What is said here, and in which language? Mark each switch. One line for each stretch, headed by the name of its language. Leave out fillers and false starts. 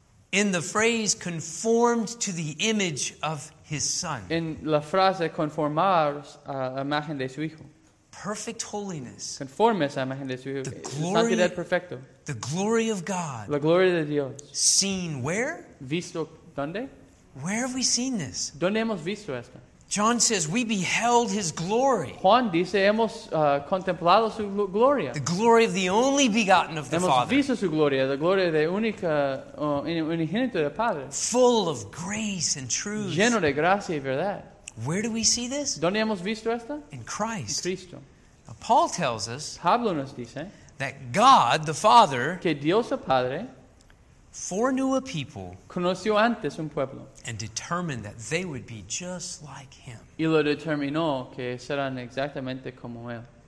English: In the phrase conformed to the image of his son.
Spanish: En la frase conformados a la imagen de su hijo.
English: Perfect holiness.
Spanish: Conformes a la imagen de su hijo. Santidad perfecto.
English: The glory of God.
Spanish: La gloria de Dios.
English: Seen where?
Spanish: Visto dónde?
English: Where have we seen this?
Spanish: ¿Dónde hemos visto esto?
English: John says we beheld his glory.
Spanish: Juan dice hemos contemplado su gloria.
English: The glory of the only begotten of the
Spanish: hemos
English: Father.
Spanish: Hemos visto su gloria, la gloria de única unigénito del Padre.
English: Full of grace and truth.
Spanish: Lleno de gracia y verdad.
English: Where do we see this?
Spanish: ¿Dónde hemos visto esto?
English: In Christ.
Spanish: En Cristo.
English: Now, Paul tells us.
Spanish: Pablo nos dice
English: that God the Father.
Spanish: Que Dios el Padre.
English: Foreknew a people.
Spanish: Conoció antes un pueblo.
English: And determined that they would be just like him.
Spanish: Y lo determinó que serán exactamente como él.